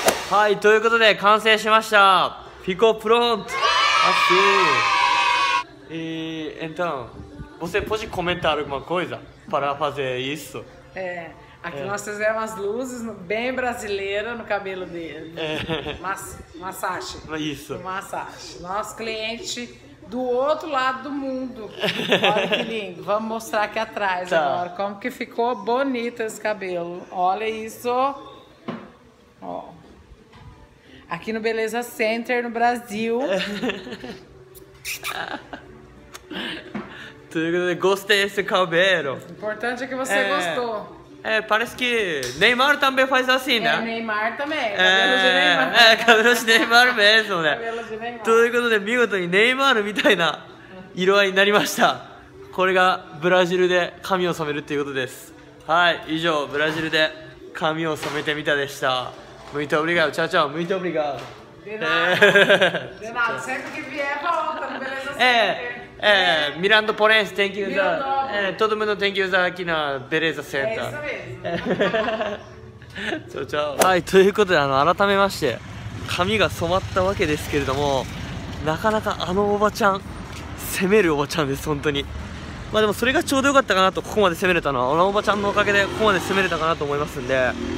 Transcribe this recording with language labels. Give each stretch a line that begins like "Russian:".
Japanese: はい、ということで完成しました。フィコプロント。あっすー。
Portuguese: então、você pode comentar alguma coisa para fazer isso? Aqui nós fizemos luzes bem brasileiras no cabelo dele. Massagem. Isso. Massagem. Nosso cliente do outro lado do mundo. Olha que lindo. Vamos mostrar aqui atrás agora como que ficou bonito esse cabelo. Olha isso. Ó. Aqui no Beleza Center, no Brasil. Gostei desse cabelo. O importante é que você gostou. Parece que Neymar também faz assim, né? Neymar também. Cabelo de Neymar. Cabelo de Neymar mesmo, né? Cabelo de Neymar.
Japanese: ということで、見事にネイマールみたいな色合いになりました。これがブラジルで髪を染めるということです。はい、以上、ブラジルで髪を染めてみたでした。
Portuguese: Muito obrigado. Tchau, tchau. Muito obrigado. De nada. Sempre que vier, volta. Beleza Center. É, Mirando Porense, tem que usar. Todo mundo tem que usar aqui na Beleza Center. É isso mesmo. Tchau, tchau.
Japanese: Hi, ということで、改めまして、髪が染まったわけですけれども、なかなかあのおばちゃん、攻めるおばちゃんです、本当に。まあでもそれがちょうどよかったかなと、ここまで攻めれたのは、あのおばちゃんのおかげでここまで攻めれたかなと思いますんで、はい。